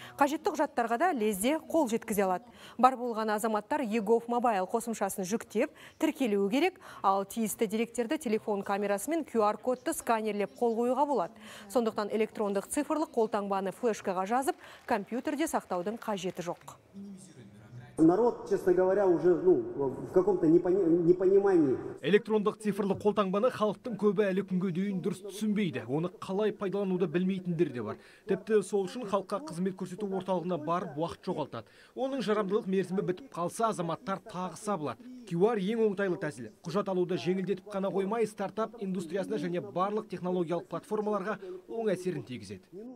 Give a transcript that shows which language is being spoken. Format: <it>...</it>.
<kk>Қажетті құжаттарға да лезде қол жеткізе алады. Бар болған азаматтар Егов Мобайл қосымшасын жүктеп, тіркелуі керек, ал тиісті деректерді телефон камерасы мен QR кодты сканерлеп қол қоюға болады. Сондықтан электрондық цифрлық қолтаңбаны флешкаға жазып, компьютерде сақтаудың қажеті жоқ.</kk> <ru>Народ, честно говоря, уже в каком-то непонимании.</ru> <kk>Электрондық цифрлық қолтаңбаны халықтың көбі әлі күнге дейін дұрыс түсінбейді. Оны қалай пайдалануды білмейтіндер де бар. Тіпті сол үшін халыққа қызмет көрсету орталығына барып уақыт жоғалтады. Оның жарамдылық мерзімі бітіп қалса, азаматтар тағы сабылады. QR ең оңтайлы тәсіл. Құжат алуды жеңілдетіп қана қоймай, стартап индустриясына және барлық технологиялық платформаларға оң әсерін тигізеді.</kk>